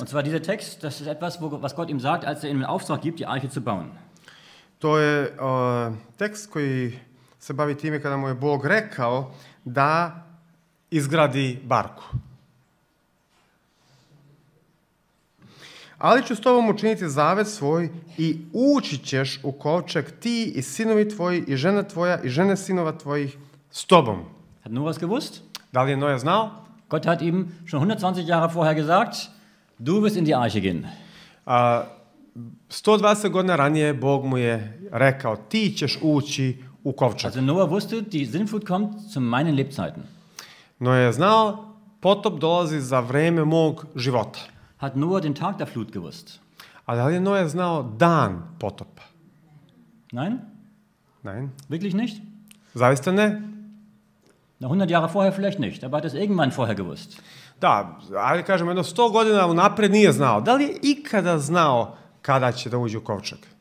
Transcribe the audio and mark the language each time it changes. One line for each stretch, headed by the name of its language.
German: Und zwar dieser Text, das ist etwas, was Gott ihm sagt, als er ihm einen Auftrag gibt, die Arche zu bauen.
Serbian: To je tekst koji se bavi time kada mu je Bog rekao da izgradi barku. Ali ću s tobom učiniti zavet svoj i ući ćeš u kovčeg ti i sinovi tvoji i žena tvoja i žene sinova tvojih s tobom.
German: Hat Noah gewusst?
Serbian: Da li je Noah znao?
German: Gott hat ihm schon 120 Jahre vorher gesagt, du wirst in die Arche gehen.
Serbian: 120 godina ranije Bog mu je rekao, ti ćeš ući u kovčeg.
German: Also Noah wusste, die Sintflut kommt zu meinen Lebzeiten.
Serbian: Noah je znao, potop dolazi za vreme mog života.
German: Hat Noah den Tag der Flut gewusst?
Serbian: Ali je Noah znao dan potopa?
German: Nein? Nein. Wirklich nicht?
Serbian: Zaista ne?
German: Na 100 Jahre vorher vielleicht nicht, aber hat es irgendwann vorher gewusst?
Serbian: Da, ali kažemo jedno 100 godina unapred nije znao. Da li je ikada znao kada će da uđe u kovčeg?